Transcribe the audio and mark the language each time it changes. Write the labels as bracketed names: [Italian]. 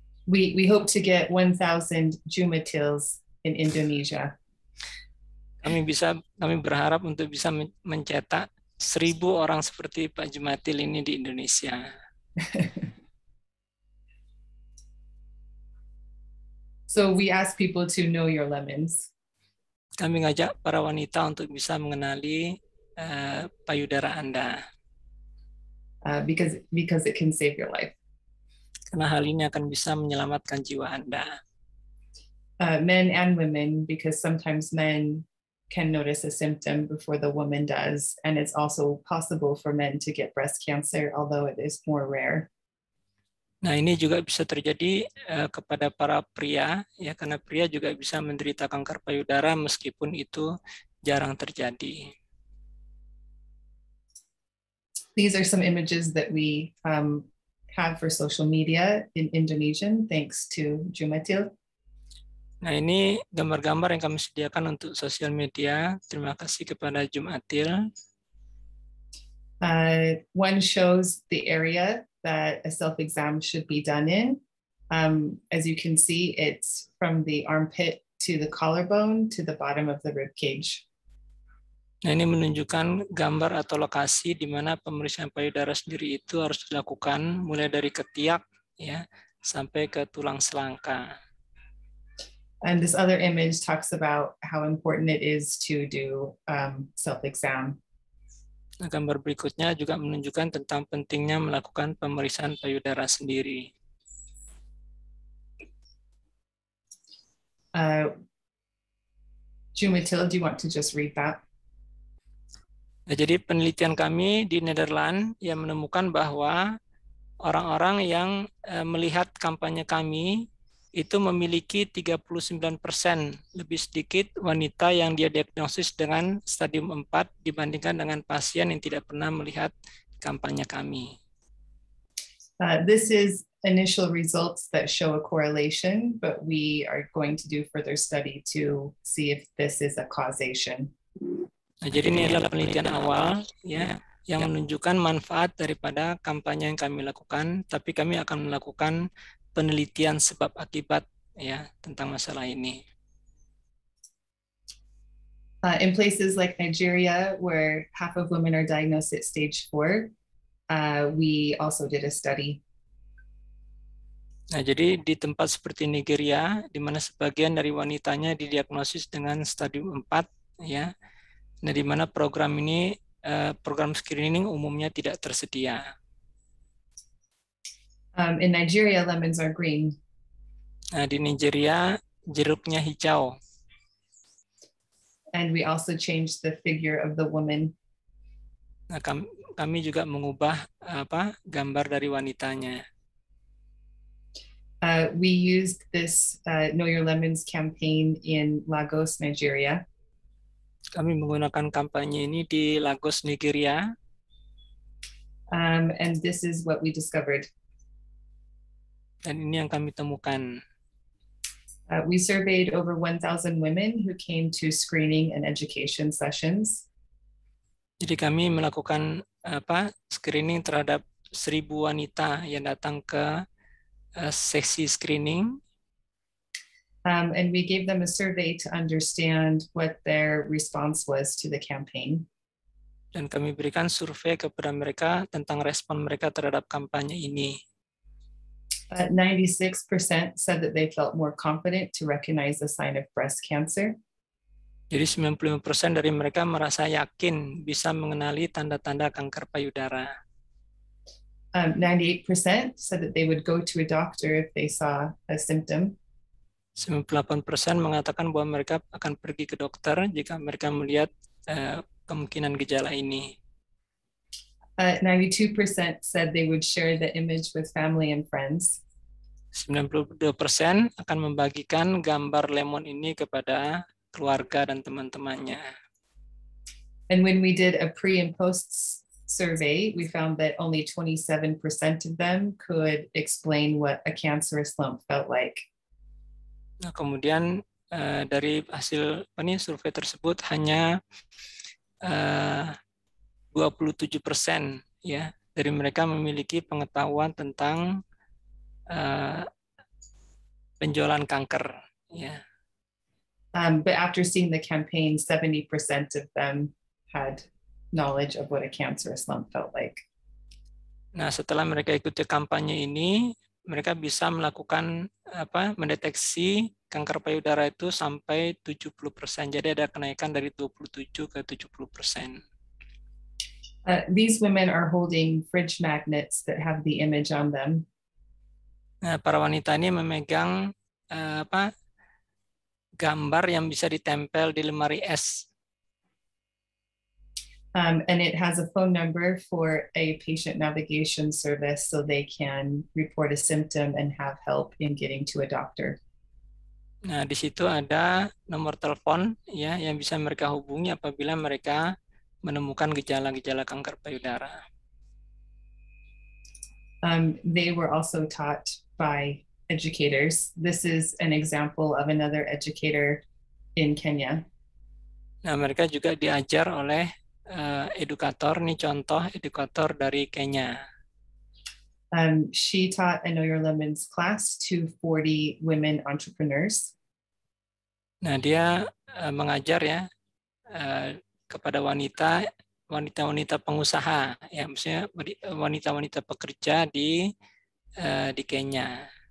[English] We hope to get 1,000 Jumatils in Indonesia. [Indonesian] Kami berharap untuk bisa mencetak 1,000 orang seperti Pak Jumatil ini di Indonesia. [English] So we ask people to know your lemons. [Indonesian] Kami ngajak para wanita untuk bisa mengenali payudara Anda. [English] Because it can save your life. [Indonesian] Karena hal ini akan bisa menyelamatkan jiwa Anda. [English] men and women, because sometimes men can notice a symptom before the woman does, and it's also possible for men to get breast cancer, although it is more rare. [Indonesian] Nah, ini juga bisa terjadi kepada para pria, ya, karena pria juga bisa menderita kanker payudara meskipun itu jarang terjadi. [English] These are some images that we have for social media in Indonesian, thanks to Jumatil. [Indonesian] Nah, ini gambar-gambar yang kami sediakan untuk sosial media. Terima kasih kepada Jumatil. [English] One shows the area that a self-exam should be done in. As you can see, it's from the armpit to the collarbone to the bottom of the rib cage. [Indonesian] Nah, ini menunjukkan gambar atau lokasi di mana pemeriksaan payudara sendiri itu harus dilakukan, mulai dari ketiak ya sampai ke tulang selangka. [English] And this other image talks about how important it is to do self-exam. [Indonesian] Nah, gambar berikutnya juga menunjukkan tentang pentingnya melakukan pemeriksaan payudara sendiri. [English] Jumatil, do you want to just read that? [Indonesian] Nah, jadi penelitian kami di Nederland yang menemukan bahwa orang-orang yang melihat kampanye kami itu memiliki 39% lebih sedikit wanita yang dia diagnosis dengan stadium 4 dibandingkan dengan pasien yang tidak pernah melihat kampanye kami. [English] This is initial results that show a correlation, but we are going to do further study to see if this is a causation. [Indonesian] Nah, jadi ini adalah penelitian awal ya yang menunjukkan manfaat daripada kampanye yang kami lakukan, tapi kami akan melakukan penelitian sebab akibat ya tentang masalah ini. [English] In places like Nigeria where half of women are diagnosed at stage 4, we also did a study. [Indonesian] Nah, jadi di tempat seperti Nigeria di mana sebagian dari wanitanya didiagnosis dengan stadium 4 ya. Nah, di mana program ini program screening umumnya tidak tersedia. [English] In Nigeria, lemons are green. [Indonesian] Nah, di Nigeria, jeruknya hijau. [English] And we also changed the figure of the woman. [Indonesian] Nah, kami juga mengubah gambar dari wanitanya. [English] We used this Know Your Lemons campaign in Lagos, Nigeria. [Indonesian] Kami menggunakan kampanye ini di Lagos, Nigeria. [English] And this is what we discovered. [Indonesian] Dan ini yang kami temukan. [English] We surveyed over 1,000 women who came to screening and education sessions. [Indonesian] Jadi kami melakukan screening terhadap 1,000 wanita yang datang ke sesi screening. [English] And we gave them a survey to understand what their response was to the campaign. [Indonesian] Dan kami berikan survei kepada mereka tentang respon mereka terhadap kampanye ini. [English] 96% said that they felt more confident to recognize a sign of breast cancer. [Indonesian] Jadi 95% dari mereka merasa yakin bisa mengenali tanda-tanda kanker payudara. [English] 98% said that they would go to a doctor if they saw a symptom. [Indonesian] 98% mengatakan bahwa mereka akan pergi ke dokter jika mereka melihat kemungkinan gejala ini. [English] 92% said they would share the image with family and friends. [Indonesian] 92% akan membagikan gambar lemon ini kepada keluarga dan teman-temannya. [English] And when we did a pre and post survey, we found that only 27% of them could explain what a cancerous lump felt like. [Indonesian] Nah, kemudian dari hasil survei tersebut hanya 27% ya dari mereka memiliki pengetahuan tentang benjolan kanker ya. [English] But after seeing the campaign, 70% of them had knowledge of what a cancerous lump felt like. [Indonesian] Nah, setelah mereka ikuti kampanye ini, mereka bisa melakukan mendeteksi kanker payudara itu sampai 70%. Jadi ada kenaikan dari 27 ke 70%. [English] These women are holding fridge magnets that have the image on them. [Indonesian] Nah, para wanita ini memegang gambar yang bisa ditempel di lemari es. [English] And it has a phone number for a patient navigation service so they can report a symptom and have help in getting to a doctor. [Indonesian] Nah, di situ ada nomor telepon ya yang bisa mereka hubungi apabila mereka menemukan gejala-gejala kanker payudara. [English] They were also taught by educators. This is an example of another educator in Kenya. [Indonesian] Nah, mereka juga diajar oleh edukator, nih contoh edukator dari Kenya. [English] She taught a Know Your Lemons class to 40 women entrepreneurs. [Indonesian] Nah, dia mengajar ya kepada wanita-wanita pengusaha, ya maksudnya wanita-wanita pekerja di Kenya.